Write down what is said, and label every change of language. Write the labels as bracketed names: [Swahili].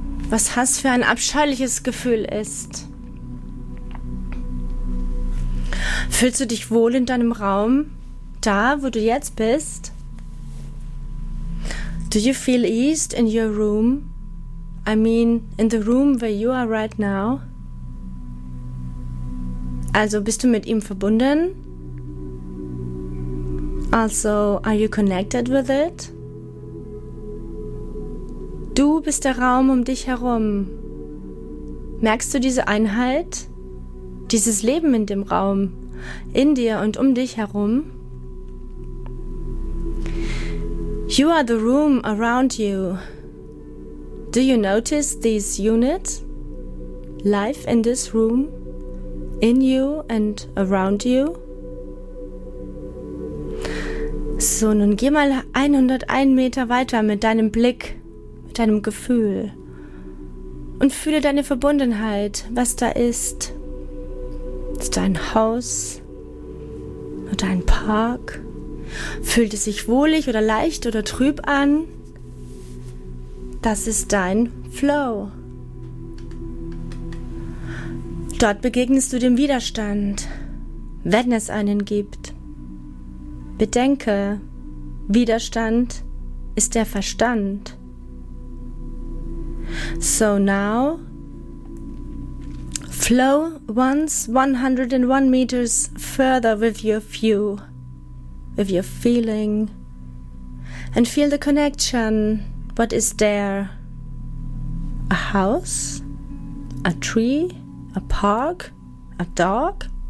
[German] Was Hass für ein abscheuliches Gefühl ist. Fühlst du dich wohl in deinem Raum, da, wo du jetzt bist? [English] Do you feel eased in your room? I mean, in the room where you are right now. [German] Also, bist du mit ihm verbunden? [English] Also, are you connected with it? [German] Du bist der Raum um dich herum. Merkst du diese Einheit? Dieses Leben in dem Raum, in dir und um dich herum? [English] You are the room around you. Do you notice this unit? Life in this room? In you and around you? [German] So, nun geh mal 101 Meter weiter mit deinem Blick, mit deinem Gefühl. Und fühle deine Verbundenheit, was da ist. Ist dein Haus oder ein Park? Fühlt es sich wohlig oder leicht oder trüb an? Das ist dein Flow. Dort begegnest du dem Widerstand, wenn es einen gibt. Bedenke, Widerstand ist der Verstand. [English] So now, flow once 101 meters further with your view, with your feeling, and feel the connection. What is there? A house? A tree? A park? A dog?